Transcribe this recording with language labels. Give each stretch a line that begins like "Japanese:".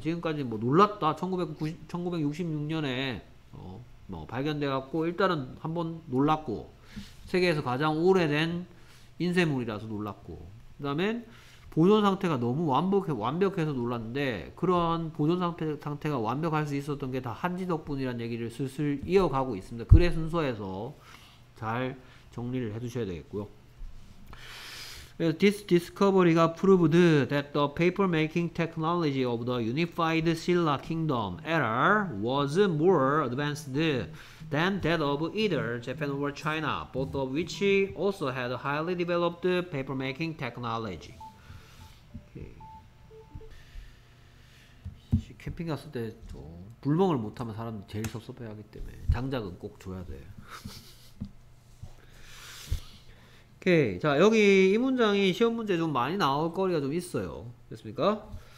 Korean: 지금까지 뭐 놀랐다. 1966년에 뭐 발견돼갖고 일단은 한번 놀랐고 세계에서 가장 오래된 인쇄물이라서 놀랐고 그 다음엔 보존 상태가 너무 완벽해서 놀랐는데 그러한 보존 상태가 완벽할 수 있었던 게 다 한지 덕분이라는 얘기를 슬슬 이어가고 있습니다. 글의 순서에서 잘 정리를 해두셔야 되겠고요.
English: This discovery가 proved that the paper making technology of the unified Silla Kingdom era was more advanced than that of either Japan or China, both of which also had highly developed paper making technology.
Korean: 캠핑 갔을 때 또 불멍을 못하면 사람들 제일 섭섭해하기 때문에 장작은 꼭 줘야 돼. 오케이. 자, 여기 이 문장이 시험 문제 좀 많이 나올 거리가 좀 있어요. 됐습니까?